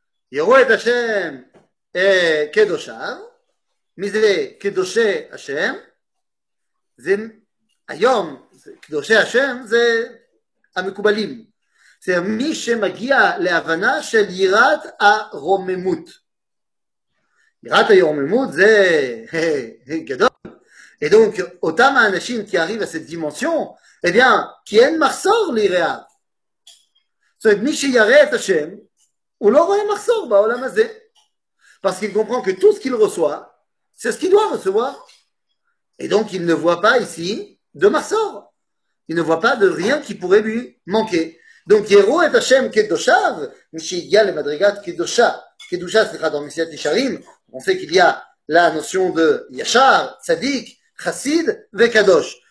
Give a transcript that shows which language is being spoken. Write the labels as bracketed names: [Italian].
[Hebrew] Yiru et Hashem kedoshav, מזה קדושי השם, זה היום, קדושי השם זה המקובלים. זה מי שמגיע להבנה של יראת הרוממות. יראת הרוממות זה גדול. [French] Et donc, [Hebrew] אותם האנשים [French] qui arrivent à cette dimension, eh bien, qui [Hebrew] אין מחסור ליראיו. זאת אומרת, מי שירא את השם, הוא לא רואה מחסור בעולם הזה. [French] Parce qu'il comprend que tout ce qu'il reçoit, c'est ce qu'il doit recevoir. Et donc, il ne voit pas ici de Marsor. Il ne voit pas de rien qui pourrait lui manquer. Donc, [Hebrew] Yero et Hashem Kedoshav, [French] Mishigal et Madrigat Kedosha, Kedusha, c'est dans Messiat Isharim, on sait qu'il y a la notion de Yashar, Tzadik, Chassid, Vekadosh.